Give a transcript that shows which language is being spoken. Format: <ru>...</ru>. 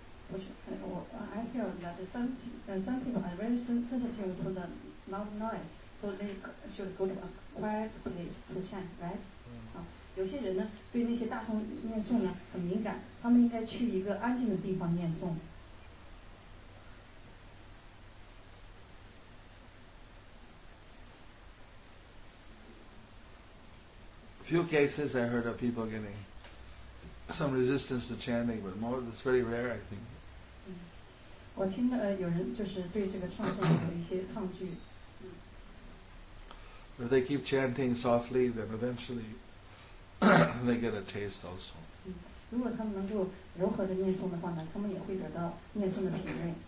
<zh>不是，</zh> <en>I feel that some people are very sensitive to the loud noise, so they should go to a quiet place to chant, right?</en> <zh>有些人呢，对那些大声念诵呢很敏感，他们应该去一个安静的地方念诵。</zh> <en>Few cases I heard of people getting some resistance to chanting, but more, it's very rare, I think.</en> <zh>我听了有人就是对这个唱诵有一些抗拒。</zh> <en>If they keep chanting softly, then eventually they get a taste also.</en> <zh>如果他们能够柔和的念诵的话呢，他们也会得到念诵的品味。</zh>